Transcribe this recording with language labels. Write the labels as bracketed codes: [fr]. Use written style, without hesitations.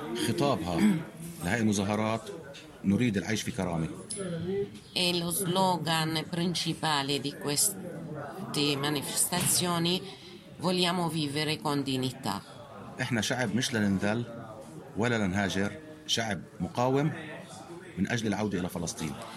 [ar] خطابها لهي المظاهرات نريد العيش في كرامة. [it] E lo slogan principale di queste manifestazioni vogliamo vivere con dignità. [ar] احنا شعب مش لننذل ولا لنهاجر, شعب مقاوم من اجل العودة الى فلسطين.